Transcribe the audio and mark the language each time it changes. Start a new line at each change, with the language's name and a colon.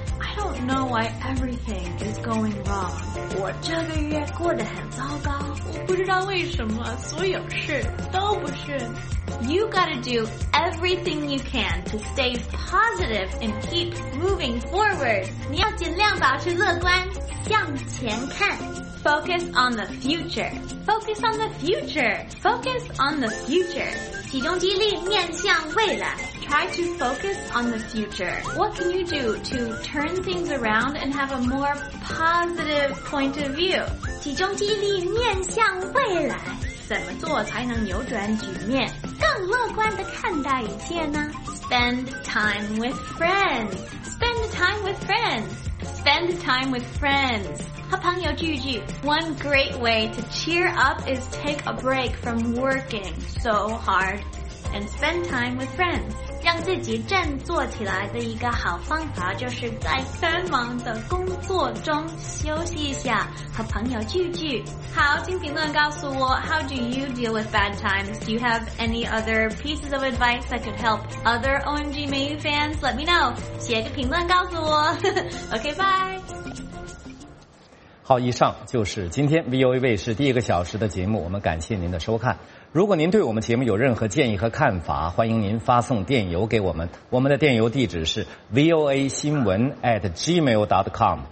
English: I don't know why everything is going wrong.
Chinese: 我这个月过得很糟糕。不知道为什么所有事都不顺。
English: You gotta do everything you can to stay positive and keep moving forward.
Chinese: 你要尽量保持乐观，向前看。
English: Focus on the future. Focus on the future. Focus on the future.
Chinese: 集中精力面向未来。
English: Try to focus on the future. What can you do to turn things around and have a more positive point of view?
Chinese: 集中精力面向未来，怎么做才能扭转局面，更乐观地看待一切呢？
English: Spend time with friends. Spend time with friends. Spend time with friends.
Chinese: 和朋友聚聚。
English: One great way to cheer up is take a break from working so hard and spend time with friends.
Chinese: 让自己振作起来的一个好方法，就是在繁忙的工作中休息一下，和朋友聚聚。好，请评论告诉我
English: How do you deal with bad times? Do you have any other pieces of advice that could help other OMG 美语 fans? Let me know.
Chinese: 写个评论告诉我。
English: OK, bye.
Chinese: 好，以上就是今天 VOA 卫视第一个小时的节目，我们感谢您的收看。如果您对我们节目有任何建议和看法，欢迎您发送电邮给我们。我们的电邮地址是 voa 新闻@gmail.com。